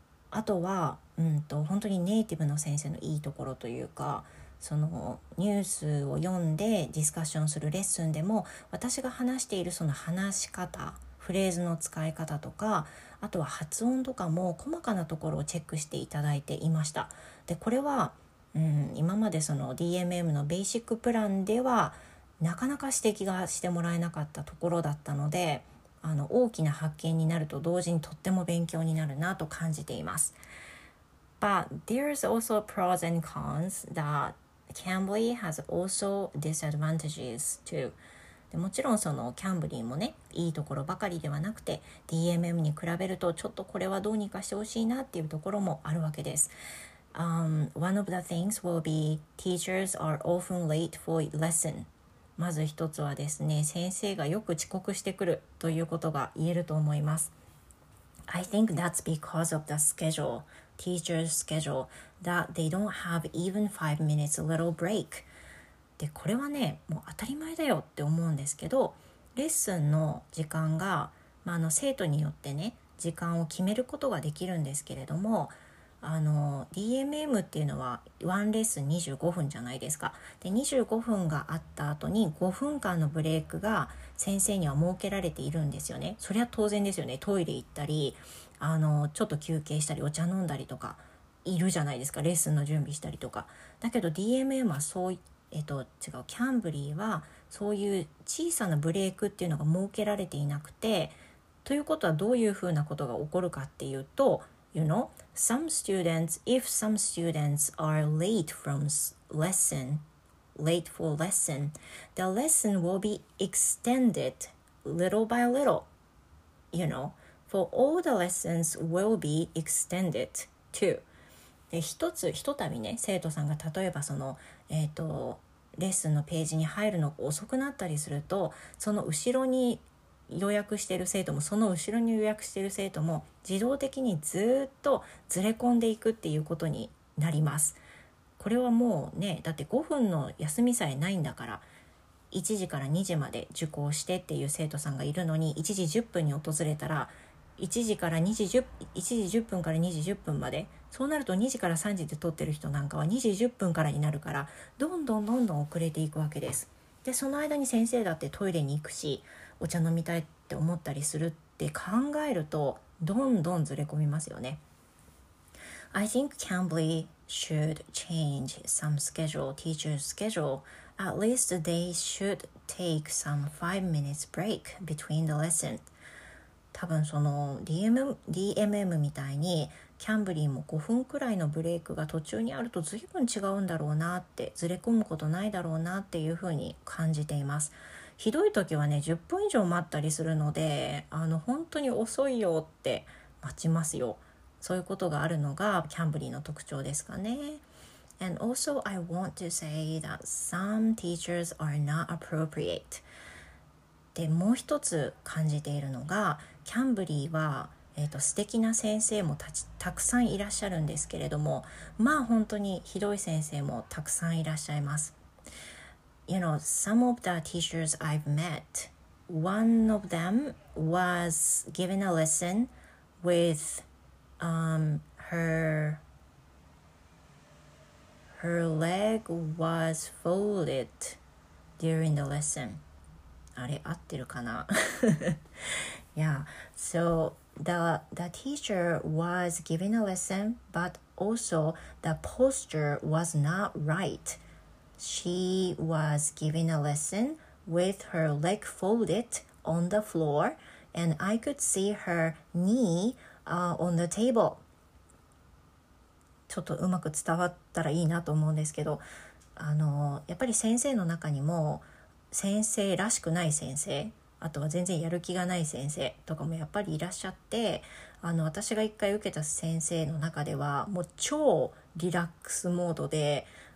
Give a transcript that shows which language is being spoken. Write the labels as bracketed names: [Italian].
[Japanese] あとは、本当にネイティブの先生のいいところというか、そのニュースを読んでディスカッションするレッスンでも、私が話しているその話し方、フレーズの使い方とか、あとは発音とかも細かなところをチェックしていただいていました。で、これは、今までその DMM のベーシックプランでは、なかなか指摘がしてもらえなかったところだったので、あの大きな発見になると同時にとっても勉強になるなと感じています。 [English] But there's also pros and cons that Cambly has also disadvantages too。 [Japanese] でもちろんそのキャンブリーもね、いいところばかりではなくて、 DMM に比べるとちょっとこれはどうにかしてほしいなっていうところもあるわけです。 [English] One of the things will be teachers are often late for lesson。 [Japanese] まず一つはですね、先生がよく遅刻してくるということが言えると思います。 [English] I think that's because of the schedule, teacher's schedule, that they don't have even 5 minutes little break. [Japanese] で、これはね、もう当たり前だよって思うんですけど、レッスンの時間が、まあ、あの生徒によってね、時間を決めることができるんですけれども、DMM っていうのはワンレッスン25分じゃないですか。で、25分があった後に5分間のブレイクが先生には設けられているんですよね。それは当然ですよね。トイレ行ったり、ちょっと休憩したり、お茶飲んだりとかいるじゃないですか。レッスンの準備したりとか。だけど DMM はそう、キャンブリーはそういう小さなブレイクっていうのが設けられていなくて、ということはどういうふうなことが起こるかっていうと、 [English] You know, if some students are late from lesson, late for lesson, the lesson will be extended little by little. You know, for all the lessons will be extended too. [Japanese] で、ひとたびね、生徒さんが例えばその、レッスンのページに入るのが遅くなったりすると、その後ろに予約している生徒も、その後ろに予約している生徒も自動的にずっとずれ込んでいくっていうことになります。これはもうね、だって5分の休みさえないんだから、1時から2時まで受講してっていう生徒さんがいるのに、1時10分に訪れたら1時10分から2時10分まで、そうなると2時から3時で撮ってる人なんかは2時10分からになるから、どんどん遅れていくわけです。で、その間に先生だってトイレに行くし、お茶飲みたいって思ったりするって考えると、どんどんずれ込みますよね。 [English] I think Cambly should change some schedule, teacher's schedule. At least they should take some 5 minutes break between the lesson. [Japanese] 多分その DMM みたいに、キャンブリーも5分くらいのブレイクが途中にあると随分違うんだろうなって、ずれ込むことないだろうなっていうふうに感じています。ひどい時はね、10分以上待ったりするので、本当に遅いよって待ちますよ。そういうことがあるのがキャンブリーの特徴ですかね。 [English] And also I want to say that some teachers are not appropriate. [Japanese] で、もう一つ感じているのが、キャンブリーは、素敵な先生もたくさんいらっしゃるんですけれども、まあ本当にひどい先生もたくさんいらっしゃいます。 [English] You know, some of the teachers I've met, one of them was given a lesson with her leg was folded during the lesson. [Japanese] あれ合ってるかな? [English] Yeah, so the teacher was giving a lesson, but also the posture was not right. She was giving a lesson with her leg folded on the floor, and I could see her kneeon the table. [Japanese] ちょっとうまく伝わったらいいなと思うんですけど、やっぱり先生の中にも先生らしくない先生、あとは全然やる気がない先生とかもやっぱりいらっしゃって、私が一回受けた先生の中ではもう超リラックスモードで、